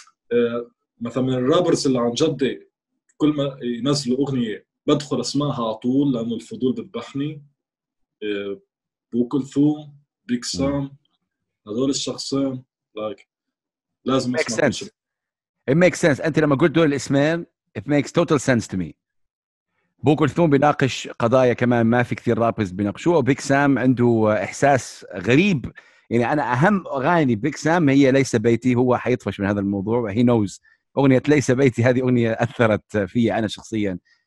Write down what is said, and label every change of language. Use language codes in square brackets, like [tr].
[ar] فمثلا من الرابرز اللي عن جد كل ما ينزلوا أغنية بدخل أسمعها عطول لأنه الفضول بتبحني، بوكل ثوم، بيك سام، هذول الشخصين like لازم [en] make sense. It makes sense. [ar] أنت لما قلت دول الاسمين [en] it makes total sense to me. [ar] بوكل ثوم بيناقش قضايا كمان ما في كثير رابرز بيناقشوها، بيك سام عنده إحساس غريب. يعني أنا أهم أغاني بيك سام هي ليس بيتي، هو حيطفش من هذا الموضوع. [en] He knows [ar] أغنية ليس بيتي هذه أغنية أثرت فيها أنا شخصيا.